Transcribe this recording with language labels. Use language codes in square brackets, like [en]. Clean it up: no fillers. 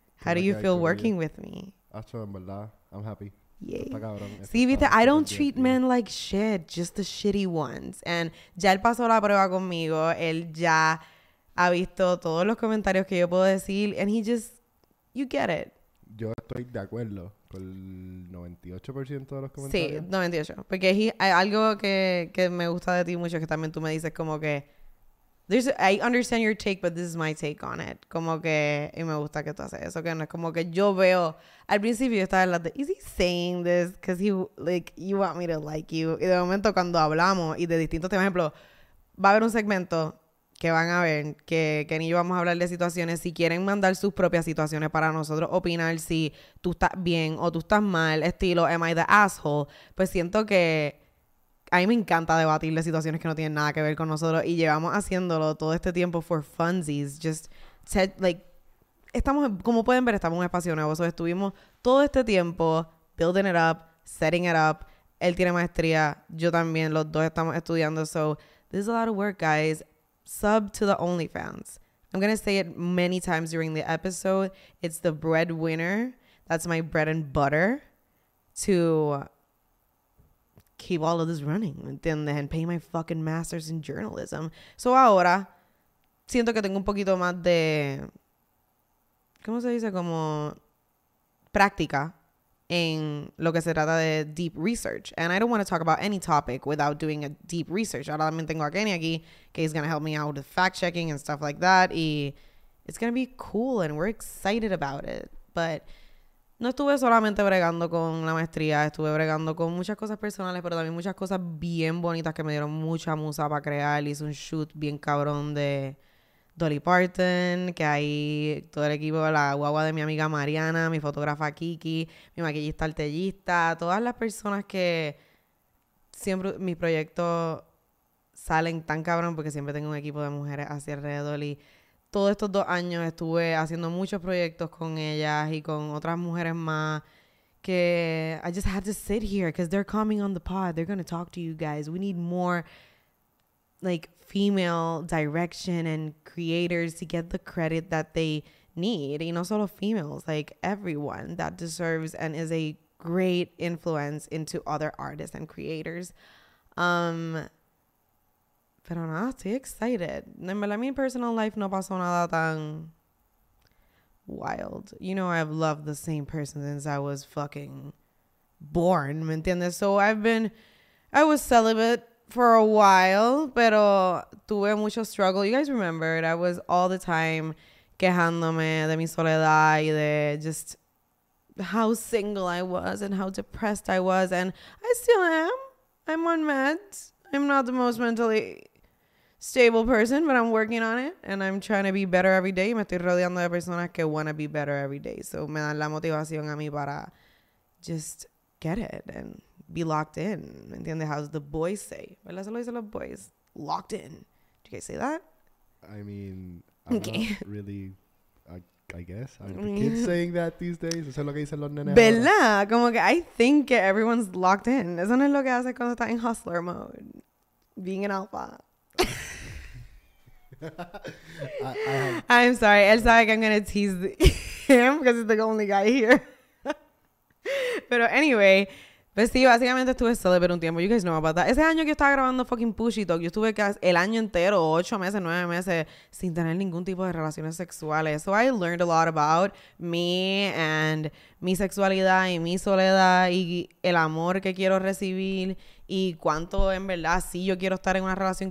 [en] How do you feel working with me? [es] Acho, en verdad, [en] I'm happy. Yay. See, Vita, I don't treat men like shit, just the shitty ones. [es] And ya él pasó la prueba conmigo, él ya ha visto todos los comentarios que yo puedo decir, [en] and he just, you get it. [es] Yo estoy de acuerdo con el 98% de los comentarios. Sí, 98%, porque hay algo que me gusta de ti mucho, que también tú me dices como que, [en] I understand your take, but this is my take on it. [es] Como que, y me gusta que tú haces eso, que no es como que yo veo, al principio yo estaba en la de, [en] is he saying this? Because he, like, you want me to like you. [es] Y de momento cuando hablamos, y de distintos temas, ejemplo, va a haber un segmento que van a ver, que Kenny y yo vamos a hablar de situaciones, si quieren mandar sus propias situaciones para nosotros opinar si tú estás bien o tú estás mal, estilo, [en] am I the asshole? [es] Pues siento que a mí me encanta debatir de situaciones que no tienen nada que ver con nosotros y llevamos haciéndolo todo este tiempo [en] for funsies. [es] Just, estamos, como pueden ver, estamos en un espacio nuevo. [en] So, [es] estuvimos todo este tiempo [en] building it up, setting it up. [es] Él tiene maestría, yo también, los dos estamos estudiando. [en] So, this is a lot of work, guys. Sub to the OnlyFans. I'm going to say it many times during the episode. It's the breadwinner. That's my bread and butter to keep all of this running, [es] ¿entiendes? [en] And pay my fucking master's in journalism. [es] So ahora, siento que tengo un poquito más de, ¿cómo se dice? Como práctica en lo que se trata de deep research. [en] And I don't want to talk about any topic without doing a deep research. [es] Ahora también tengo a Kenny aquí, que [en] is going to help me out with fact-checking and stuff like that. Y it's going to be cool and we're excited about it. [es] But no estuve solamente bregando con la maestría, estuve bregando con muchas cosas personales, pero también muchas cosas bien bonitas que me dieron mucha musa para crear. Hice un shoot bien cabrón de Dolly Parton, que ahí todo el equipo, la guagua de mi amiga Mariana, mi fotógrafa Kiki, mi maquillista artellista, todas las personas que siempre mis proyectos salen tan cabrón porque siempre tengo un equipo de mujeres así alrededor. Y todos estos dos años estuve haciendo muchos proyectos con ellas y con otras mujeres más que [en] I just had to sit here because they're coming on the pod. They're going to talk to you guys. We need more, like, female direction and creators to get the credit that they need. [es] Y no solo [en] females, like, everyone that deserves and is a great influence into other artists and creators. [es] Pero nada, no, estoy excited. En verdad, mi personal life no pasó nada tan wild. [en] You know, I've loved the same person since I was fucking born, [es] ¿me entiendes? [en] So I was celibate for a while, [es] pero tuve mucho [en] struggle. You guys remembered, I was all the time [es] quejándome de mi soledad y de [en] just how single I was and how depressed I was. And I still am. I'm on meds. I'm not the most mentally stable person, but I'm working on it and I'm trying to be better every day. [es] Me estoy rodeando de personas que [en] want to be better every day, so [es] me dan la motivación a mí para [en] just get it and be locked in. [es] ¿Me entiendes? [en] How's the boys say? [es] ¿Verdad? Se lo dicen los boys. [en] Locked in. Do you guys say that? I mean, I'm okay. Not really, I guess. I mean, kids saying that these days. [es] Eso es lo que dicen los nenes. ¿Verdad? Como que [en] I think que everyone's locked in. [es] Eso no es lo que hace cuando está en hustler mode. [en] Being an alpha. I'm sorry. [es] Él sabe que [en] I'm gonna tease him because he's the only guy here. [es] Pero anyway, pues sí, básicamente estuve celibate un tiempo. [en] You guys know about that. [es] Ese año que yo estaba grabando fucking Pushy Talk, yo estuve casi el año entero, 8 meses, 9 meses, sin tener ningún tipo de relaciones sexuales. [en] So I learned a lot about me and [es] mi sexualidad y mi soledad y el amor que quiero recibir y cuánto en verdad sí yo quiero estar en una relación.